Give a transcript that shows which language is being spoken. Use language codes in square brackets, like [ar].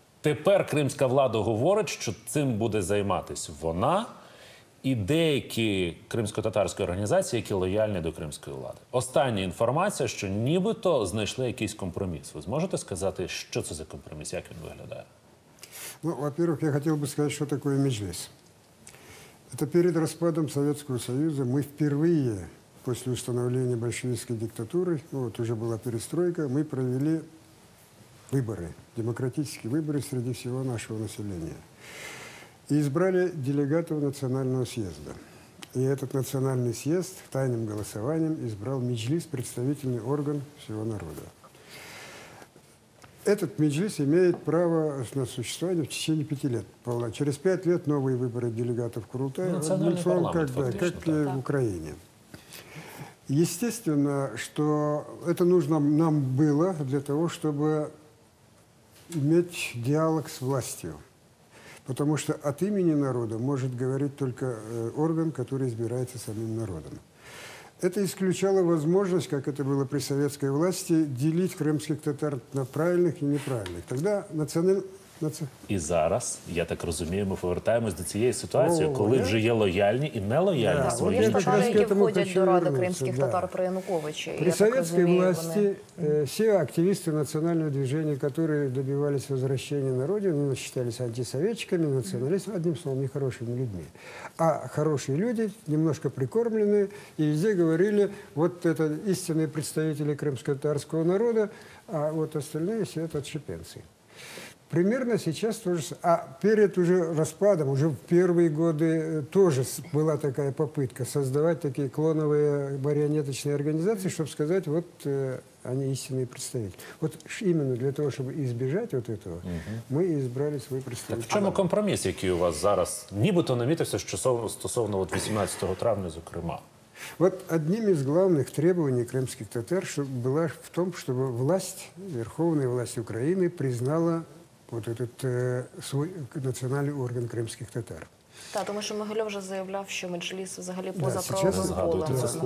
[uk] Тепер кримська влада говорить, що цим буде займатися вона і деякі кримсько-татарські організації, які лояльні до кримської влади. Остання інформація, що нібито знайшли якийсь компроміс. Ви зможете сказати, що це за компроміс, як він виглядає? [ru] Ну, во-первых, я хотел бы сказать, что такое Меджлис. Это перед распадом Советского Союза мы впервые, после установления большевистской диктатуры, ну, вот уже была перестройка, мы провели выборы, демократические выборы среди всего нашего населения. И избрали делегатов национального съезда. И этот национальный съезд тайным голосованием избрал Меджлис, представительный орган всего народа. Этот Меджлис имеет право на существование в течение 5 лет. Через 5 лет новые выборы делегатов Курултая. Национальный парламент, как в Украине. Естественно, что это нужно нам было для того, чтобы иметь диалог с властью. Потому что от имени народа может говорить только орган, который избирается самим народом. Это исключало возможность, как это было при советской власти, делить крымских татар на правильных и неправильных. Тогда [uk] И зараз, я так розумію, ми повертаємось до цієї ситуації, коли вже є лояльні і нелояльні свої. Вони татари, які входять до ради кримських татар при Януковичі. [ru] При советской власти все активисты национального движения, которые добивались возвращения на родину, считались антисоветчиками, националистами, одним словом, нехорошими людьми. А хорошие люди, немножко прикормленные, и везде говорили, вот это истинные представители крымско-татарского народа, а вот остальные все это отщепенцы. Примерно сейчас тоже, а перед уже распадом, уже в первые годы тоже была такая попытка создавать такие клоновые марионеточные организации, чтобы сказать, вот они истинные представители. Вот именно для того, чтобы избежать вот этого, мы избрали свой представитель. Так в чем компромисс, [uk] який у вас зараз, нібито намітився, що стосовно 18 травня, зокрема? [ru] Вот одним из главных требований [uk] кримських татар [ru] была в том, чтобы власть, верховная власть Украины признала вот этот свой национальный орган кримських татар. Да, потому что Могильов уже заявлял, что Меджліс [uk] взагалі поза [ru] правовым полем. Да, сейчас